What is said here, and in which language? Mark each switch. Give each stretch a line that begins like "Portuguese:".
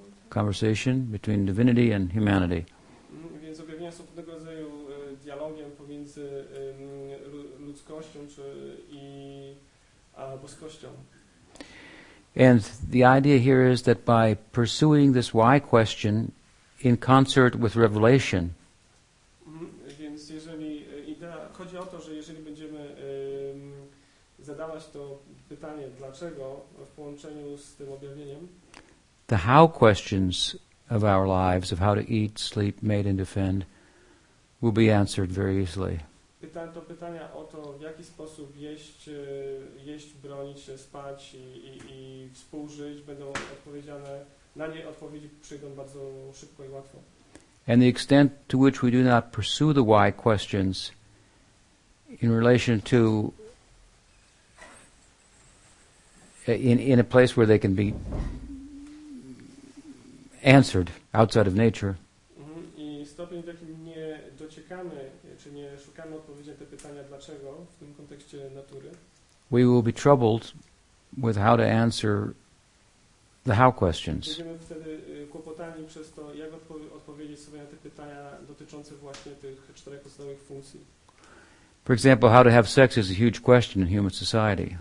English: Conversation between divinity and humanity.
Polish: Więc objawienia są pewnego rodzaju dialogiem pomiędzy ludzkością i boskością.
English: And the idea here is that by pursuing this why question in concert with revelation,
Polish: więc jeżeli idea chodzi o to, że jeżeli będziemy zadawać to pytanie dlaczego w połączeniu z tym objawieniem,
English: the how questions of our lives, of how to eat, sleep, mate and defend, will be answered very easily.
Polish: To pytania o to, w jaki sposób jeść, bronić się, spać i współżyć, będą odpowiedziane, na nie odpowiedzi przyjdą bardzo szybko i łatwo.
English: And the extent to which we do not pursue the why questions in relation to in a place where they can be answered outside of nature.
Polish: I stopień, w jakim nie dociekamy, czy nie szukamy odpowiedzi na te pytania dlaczego w tym kontekście natury,
English: we will be troubled with how to answer the how questions.
Polish: Będziemy wtedy kłopotani przez to, jak odpowiedzieć sobie na te pytania dotyczące właśnie tych czterech podstawowych funkcji.
English: For example, how to have sex is a huge question in human society.